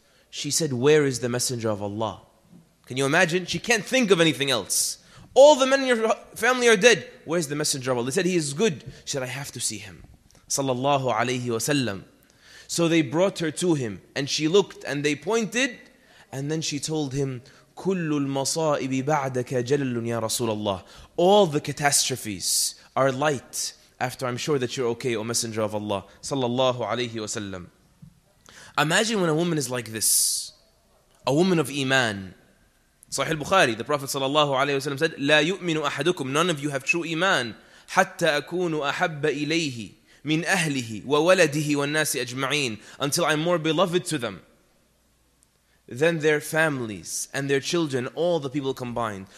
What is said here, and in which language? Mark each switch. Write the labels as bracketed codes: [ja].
[en] She said, where is the Messenger of Allah? Can you imagine? She can't think of anything else. All the men in your family are dead. Where's the Messenger of Allah? They said, he is good. She said, I have to see him. Sallallahu alayhi wa sallam. So they brought her to him. And she looked and they pointed. And then she told him, [ar] كُلُّ الْمَصَائِبِ بَعْدَكَ جَلَلٌ يَا رَسُولَ اللَّهِ. [en] All the catastrophes are light after I'm sure that you're okay, O Messenger of Allah. Sallallahu alayhi wa sallam. Imagine when a woman is like this. A woman of iman. Sahih al-Bukhari, the Prophet sallallahu alayhi wa sallam said, [ar] لا يؤمن أحدكم, [en] none of you have true iman, [ar] حتى أكون أحب إليه من أهله وولده والناس أجمعين, [en] until I'm more beloved to them than their families and their children, all the people combined.